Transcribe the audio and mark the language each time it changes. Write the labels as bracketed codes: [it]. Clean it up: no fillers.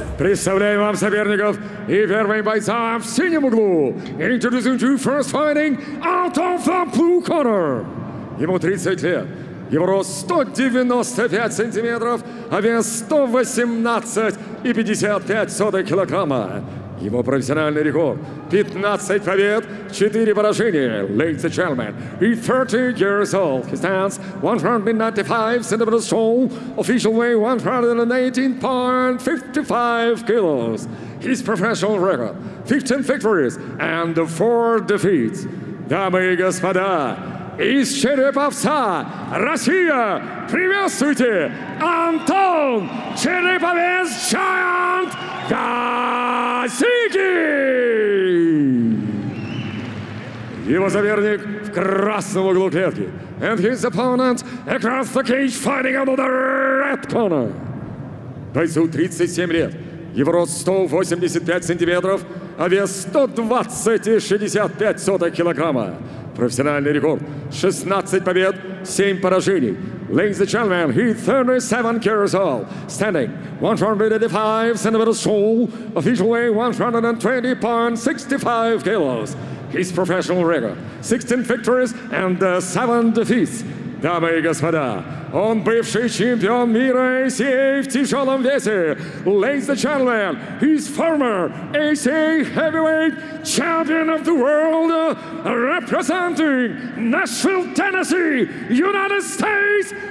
[ru] Представляем вам соперников и первые бойца в синем углу. [en] Introducing to first fighting out of the blue corner. [ru] Ему 30 лет. Его рост 195 сантиметров, а вес 118,55 килограмма. Его профессиональный рекорд 15 побед, 4 поражения. [en] Ladies and gentlemen, he's 30 years old. He stands 195 centimeters tall, official weight 118.55 kilos. His professional record 15 victories and 4 defeats. [ru] Дамы и господа, из Череповца, Россия, приветствуйте Антон Череповец Giant Косики! Его соперник в красном углу клетки. [en] And his opponent across the cage fighting under the red corner. [ru] Бойцу 37 лет. Его рост 185 сантиметров, а вес 120,65 килограмма. Профессиональный рекорд 16 побед, 7 поражений. [en] Ladies and gentlemen, he's 37 years old, standing 185 centimeters tall, official weight 120.65 kilos. His professional record 16 victories and 7 defeats. [ru] Дамы и господа, он бывший чемпион мира ACA в тяжелом весе. [en] Ladies and gentlemen, he's former ACA heavyweight champion of the world, representing Nashville, Tennessee, United States.